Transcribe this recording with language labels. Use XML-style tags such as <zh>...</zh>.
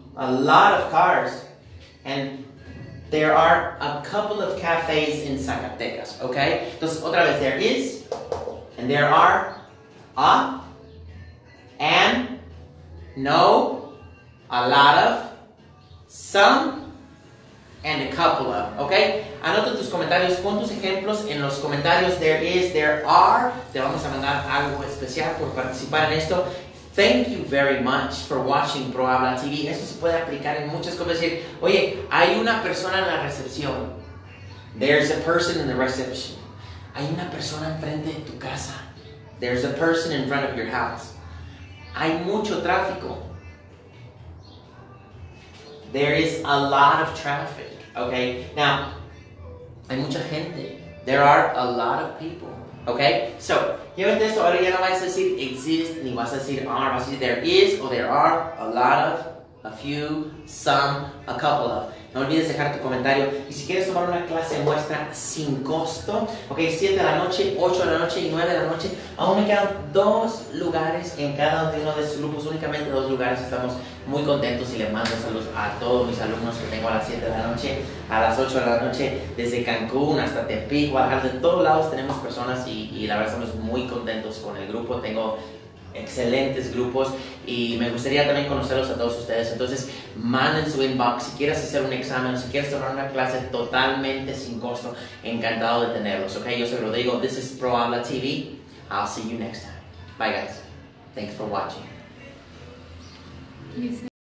<en>A lot of cars. And there are a couple of cafes in Zacatecas. Okay?</en> <es>Entonces, otra vez,</es> <en>there is. And there are a. And, no, a lot of, some, and a couple of, okay?</en> <es>Anota tus comentarios, pon tus ejemplos en los comentarios.</es> <en>There is, there are,</en> <es>te vamos a mandar algo especial por participar en esto.</es> <en>Thank you very much for watching ProHabla TV.</en> <es>Esto se puede aplicar en muchas cosas. Decir, oye, hay una persona en la recepción.</es> <en>There's a person in the reception.</en> <es>Hay una persona enfrente de tu casa.</es> <en>There's a person in front of your house.</en> <es>Hay mucho tráfico.</es> <en>There is a lot of traffic. Okay? Now,</en> <es>hay mucha gente.</es> <en>There are a lot of people. Okay? So, here with this,</en> <es>ahora ya no vas a decir</es> <en>exist,</en> <es>ni vas a decir</es> <en>are,</en> <es>vas a decir</es> <en>there is, or there are, a lot of, a few, some, a couple of.</en> <es>No olvides dejar tu comentario. Y si quieres tomar una clase muestra sin costo, ok, 7 de la noche, 8 de la noche y 9 de la noche, aún me quedan 2 lugares en cada uno de estos grupos, únicamente 2 lugares. Estamos muy contentos y le mando saludos a todos mis alumnos que tengo a las 7 de la noche, a las 8 de la noche, desde Cancún hasta Tepic, Guadalajara, de todos lados tenemos personas y la verdad estamos muy contentos con el grupo. Tengo excelentes grupos y me gustaría también conocerlos a todos ustedes. Entonces manden su inbox si quieres hacer un examen, si quieres tomar una clase totalmente sin costo, encantado de tenerlos.</es> <en>Ok,</en> <es>yo soy Rodrigo,</es> <en>this is ProHabla TV, I'll see you next time, bye guys, thanks for watching.</en>